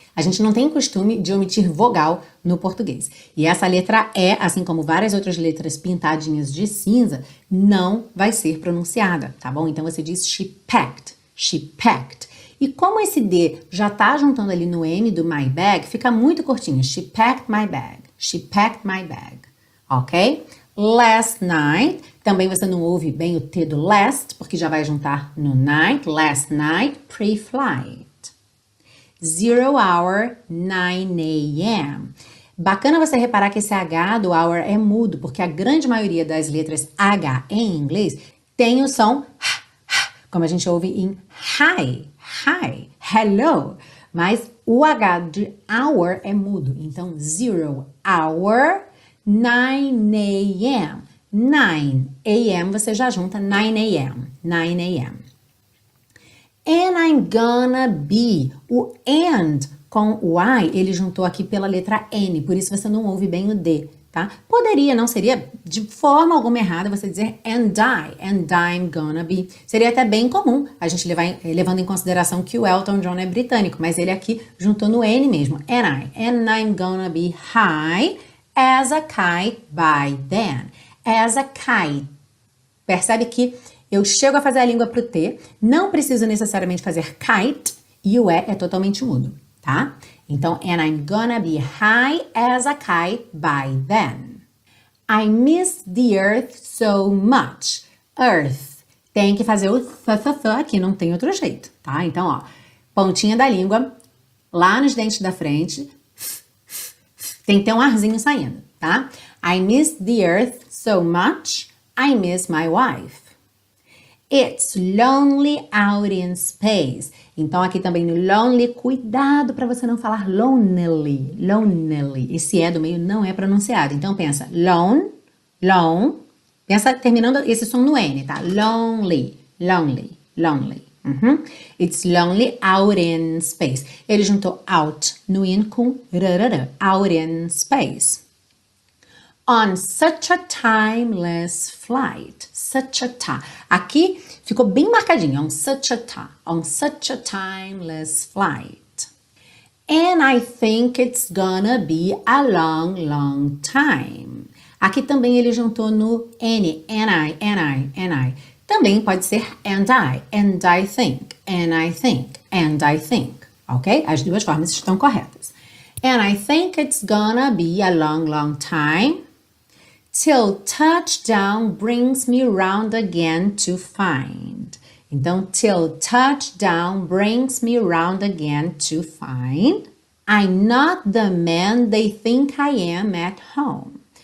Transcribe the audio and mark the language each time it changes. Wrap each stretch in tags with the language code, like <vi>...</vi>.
<pt>A gente não tem costume de omitir vogal no português. E essa letra E, assim como várias outras letras pintadinhas de cinza, não vai ser pronunciada, tá bom? Então você diz</pt> <en>she packed, she packed.</en> <pt>E como esse D já tá juntando ali no M do my bag, fica muito curtinho.</pt> <en>She packed my bag, she packed my bag, ok?</en> <pt>Last night, também você não ouve bem o T do last, porque já vai juntar no night,</pt> <en>last night, pre-flight. 0 hour, 9 a.m.</en> <pt>Bacana você reparar que esse H do hour é mudo, porque a grande maioria das letras H em inglês tem o som como a gente ouve em</pt> <en>hi, hi, hello.</en> <pt>Mas o H de hour é mudo. Então,</pt> <en>0 hour, 9 a.m.</en> <pt>9 a.m. você já junta 9 a.m. 9 a.m.</pt> <en>And I'm gonna be.</en> <pt>O and com o I, ele juntou aqui pela letra N, por isso você não ouve bem o D, tá? Poderia, não seria de forma alguma errada você dizer</pt> <en>and I'm gonna be.</en> <pt>Seria até bem comum a gente levando em consideração que o Elton John é britânico, mas ele aqui juntou no N mesmo.</pt> <en>And I'm gonna be high as a kite by then. As a kite.</en> <pt>Percebe que eu chego a fazer a língua pro T, não preciso necessariamente fazer kite, e o E é totalmente mudo, tá?</pt> <en>Então, and I'm gonna be high as a kite by then. I miss the earth so much. Earth.</en> <pt>Tem que fazer o th aqui, não tem outro jeito, tá? Então, ó, pontinha da língua, lá nos dentes da frente, tem que ter um arzinho saindo, tá?</pt> <en>I miss the earth so much, I miss my wife. It's lonely out in space.</en> <pt>Então, aqui também no lonely, cuidado para você não falar lonely, lonely. Esse é do meio, não é pronunciado. Então, pensa, lone, lone. Pensa terminando esse som no N, tá?</pt> <en>Lonely, lonely, lonely. Uhum. It's lonely out in space.</en> <pt>Ele juntou out no in com rarara,</pt> <en>out in space. On such a timeless flight. Such a time.</en> <pt>Aqui ficou bem marcadinho.</pt> <en>On such a time. On such a timeless flight. And I think it's gonna be a long, long time.</en> <pt>Aqui também ele juntou no N,</pt> <en>and I, and I, and I.</en> <pt>Também pode ser</pt> <en>and I think, and I think,</en> <pt>and I think. Ok? As duas formas estão corretas.</pt> <en>And I think it's gonna be a long, long time. Till touchdown brings me round again to find. Então, till touchdown brings me round again to find. I'm not the man they think I am at home.</en>